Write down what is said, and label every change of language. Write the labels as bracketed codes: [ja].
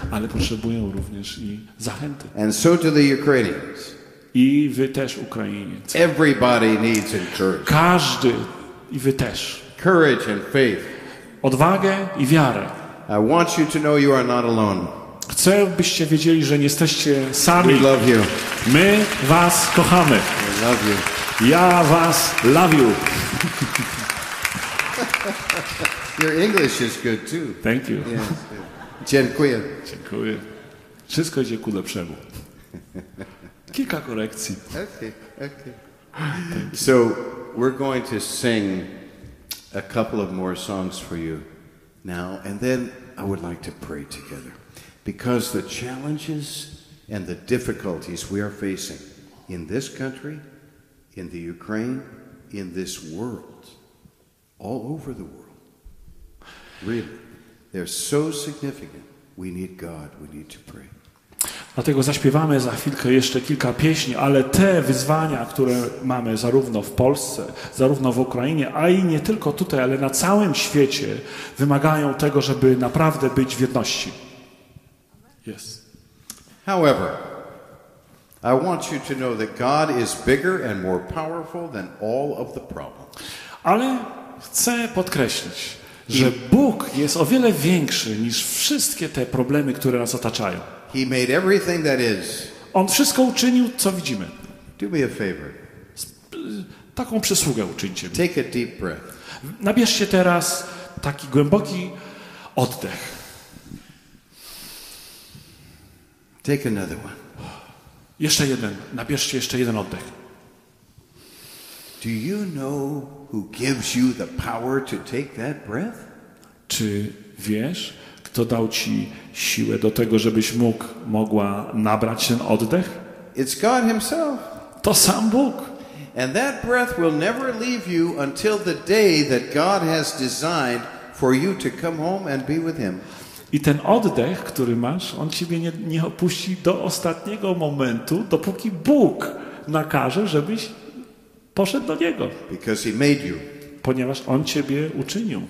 [pl] Ale potrzebują również i zachęty. [en] And so do the Ukrainians. [pl] I wy też, Ukraińcy. [en] Everybody needs encouragement. [pl] Każdy i wy też. [en] Courage and faith. [pl] Odwagę i wiarę. [en] I want you to know you are not alone. [pl] Chcę, byście wiedzieli, że nie jesteście sami. [en] We love you. [pl] My was kochamy. [en] We love you. [pl] Ja was [en] love you. Your English is good too. Thank you. [pl] Yes. Dziękuję. Dziękuję. Wszystko idzie ku lepszemu. Kilka korekcji. [en] Okay. So we're going to sing a couple of more songs for you now, and then I would like to pray together, because the challenges and the difficulties we are facing in this country, in the Ukraine, in this world, all over the world, really, they're so significant. We need God. We need to pray. [pl] Dlatego zaśpiewamy za chwilkę jeszcze kilka pieśni, ale te wyzwania, które mamy zarówno w Polsce, zarówno w Ukrainie, a i nie tylko tutaj, ale na całym świecie, wymagają tego, żeby naprawdę być w jedności. [en] Yes. However, I want you to know that God is bigger and more powerful than all of the problems. [pl] Ale chcę podkreślić, że Bóg jest o wiele większy niż wszystkie te problemy, które nas otaczają. [en] He made everything that is. [pl] On wszystko uczynił, co widzimy. [en] Do me a favor. [pl] Taką przysługę uczyńcie mi. [en] Take a deep breath. [pl] Nabierzcie teraz taki głęboki oddech. [en] Take another one. [pl] Jeszcze jeden. Nabierzcie jeszcze jeden oddech. [en] Do you know who gives you the power to take that breath? [pl] Czy wiesz, kto dał ci siłę do tego, żebyś mogła nabrać ten oddech? [en] It's God himself. [pl] To sam Bóg. [en] And that breath will never leave you until the day that God has designed for you to come home and be with him. [pl] I ten oddech, który masz, on ciebie nie opuści do ostatniego momentu, dopóki Bóg nakaże, żebyś poszedł do niego. [en] Because he made you. [pl] Ponieważ on ciebie uczynił.